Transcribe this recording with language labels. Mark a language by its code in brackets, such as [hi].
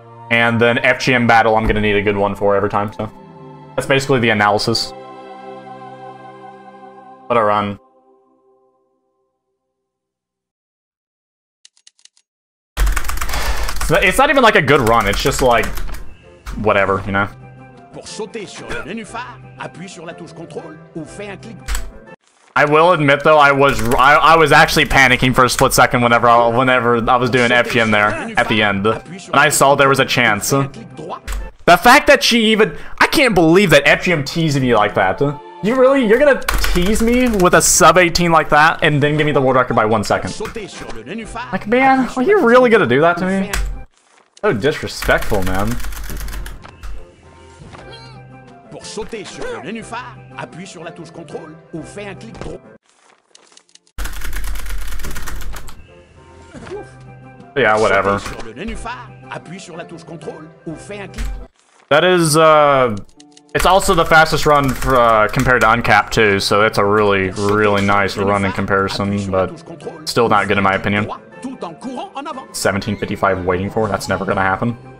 [en] And then FGM Battle, I'm gonna need a good one for every time, so. That's basically the analysis. What a run. It's not even like a good run, it's just like... Whatever, you know? [fr] Pour sauter sur le nénuphar, appuie sur la touche contrôle ou fais un clic. [en] I will admit though, I was actually panicking for a split second whenever I was doing FGM there at the end. And I saw there was a chance. The fact that she even... I can't believe that FGM teased me like that. You really? You're gonna tease me with a sub 18 like that and then give me the world record by 1 second? Like, man, are you really gonna do that to me? So disrespectful, man. [fr] Pour sauter sur le nénuphar, appuie sur la touche contrôle ou fais un clic droit. [en] Yeah, whatever. [fr] Sur le nénuphar, appuie sur la touche contrôle ou fais un clic. [en] That is it's also the fastest run for, compared to Uncapped too, so it's a really, really nice run in comparison, but still not good in my opinion. 1755 waiting for, that's never gonna happen.